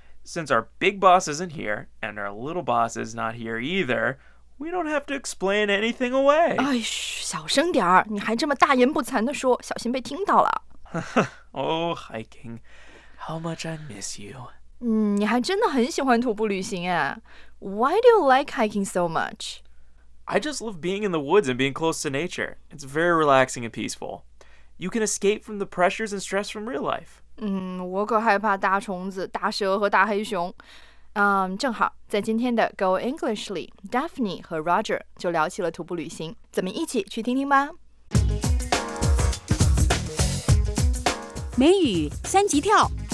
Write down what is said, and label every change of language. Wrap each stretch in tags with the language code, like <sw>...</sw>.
<en>Since our big boss isn't here and our little boss is not here either, we don't have to explain anything away.</en> <zh>哎，小声点儿！你还这么大言不惭的说，小心被听到了。</zh> <en>Oh, hiking. How much I miss you.</en> <zh>嗯，你还真的很喜欢徒步旅行啊。</zh> <en>Why do you like hiking so much? I just love being in the woods and being close to nature. It's very relaxing and peaceful. You can escape from the pressures and stress from real life.</en> <zh>嗯，我可害怕大虫子、大蛇和大黑熊。正好在今天的 Go English 里 ，Daphne 和 Roger 就聊起了徒步旅行，咱们一起去听听吧。美语三级跳。</zh>